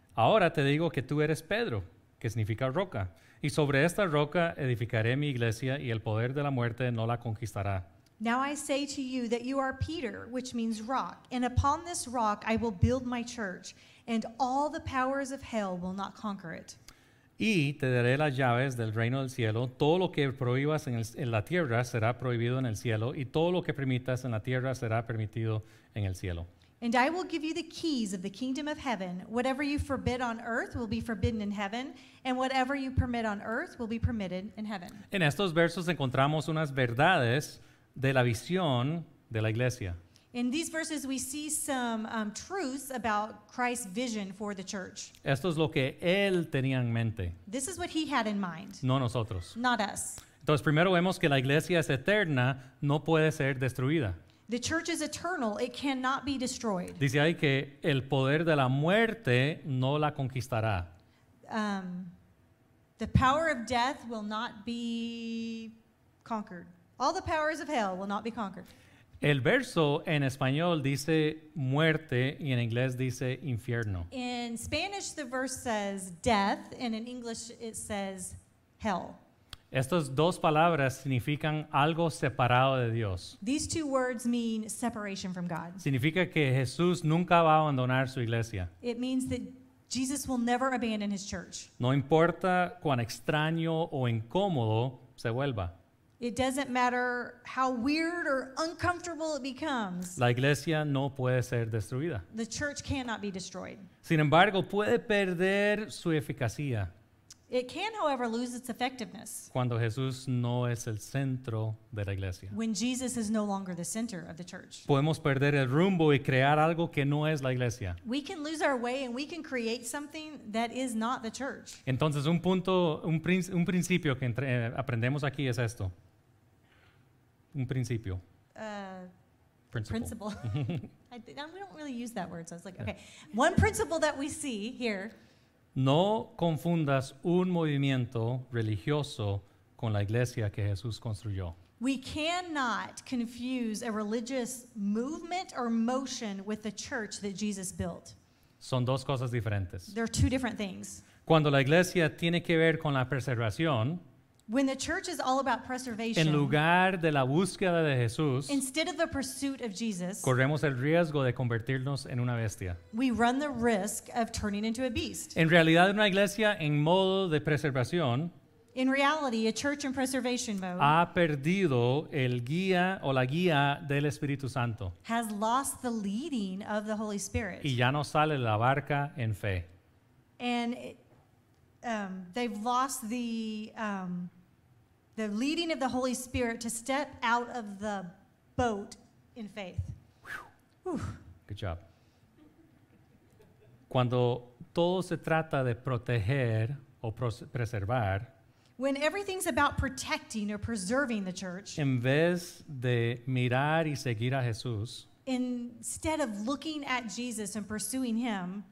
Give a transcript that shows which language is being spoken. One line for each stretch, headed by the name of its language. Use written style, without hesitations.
Spanish: Ahora te digo que tú eres Pedro, que significa roca. Y sobre esta roca edificaré mi iglesia y el poder de la muerte no la conquistará.
English: Now I say to you that you are Peter, which means rock, and upon this rock I will build my church, and all the powers of hell will not conquer it.
Spanish: Y te daré las llaves del reino del cielo. Todo lo que prohíbas en la tierra será prohibido en el cielo, y todo lo que permitas en la tierra será permitido en el cielo.
English: And I will give you the keys of the kingdom of heaven. Whatever you forbid on earth will be forbidden in heaven, and whatever you permit on earth will be permitted in heaven.
Spanish: En estos versos encontramos unas verdades de la visión de la iglesia.
English: In these verses we see some truths about Christ's vision for the church.
Spanish: Esto es lo que él tenía en mente.
English: This is what he had in mind.
Spanish: No nosotros.
English: Not us.
Spanish: Entonces primero vemos que la iglesia es eterna, no puede ser destruida.
English: The church is eternal, it cannot be destroyed.
Spanish: Dice ahí que el poder de la muerte no la conquistará.
English: The power of death will not be conquered. All the powers of hell will not be conquered.
Spanish: El verso en español dice muerte y en inglés dice infierno.
English: In Spanish the verse says death and in English it says hell.
Spanish: Estas dos palabras significan algo separado de Dios.
English: These two words mean separation from God.
Spanish: Significa que Jesús nunca va a abandonar su iglesia.
English: It means that Jesus will never abandon his church.
Spanish: No importa cuán extraño o incómodo se vuelva.
English: It doesn't matter how weird or uncomfortable it becomes.
Spanish: La iglesia no puede ser destruida.
English: The church cannot be destroyed.
Spanish: Sin embargo, puede perder su eficacia.
English: It can, however, lose its effectiveness.
Spanish: Cuando Jesús no es el centro de la iglesia.
English: When Jesus is no longer the center of the church.
Spanish: Podemos perder el rumbo y crear algo que no es la iglesia.
English: We can lose our way and we can create something that is not the church.
Spanish: Entonces, un principio que aprendemos aquí es esto. Un principio.
English: Principle. We don't really use that word, so I was like, okay. One principle that we see here.
Spanish: No confundas un movimiento religioso con la iglesia que Jesús construyó.
English: We cannot confuse a religious movement or motion with the church that Jesus built.
Spanish: Son dos cosas diferentes.
English: They're two different things.
Spanish: Cuando la iglesia tiene que ver con la preservación,
English: when the church is all about preservation,
Spanish: en lugar de la búsqueda de Jesús,
English: instead of the pursuit of Jesus,
Spanish: corremos el riesgo de convertirnos en una bestia.
English: We run the risk of turning into a beast.
Spanish: En realidad, una iglesia en modo de preservación,
English: in reality, a church in preservation mode,
Spanish: ha perdido el guía o la guía del Espíritu Santo,
English: has lost the leading of the Holy Spirit,
Spanish: y ya no sale la barca en fe.
English: And they've lost the leading of the Holy Spirit to step out of the boat in faith. Good job.
Spanish: Cuando todo se trata de proteger o preservar,
English: when everything's about protecting or preserving the church,
Spanish: en vez de mirar y seguir a Jesús,
English: instead of looking at Jesus and pursuing him,